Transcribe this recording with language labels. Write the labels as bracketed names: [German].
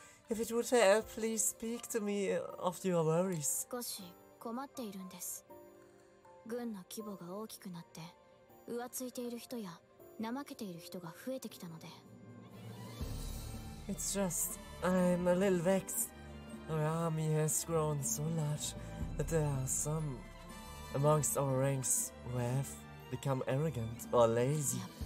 [English] If it would help, please speak to me of your worries. [Japanese] 少し困っているんです。軍の規模が大きくなって、浮ついている人や怠けている人が増えてきたので。 [English] It's just, I'm a little vexed. Our army has grown so large that there are some... amongst our ranks, we have become arrogant or lazy.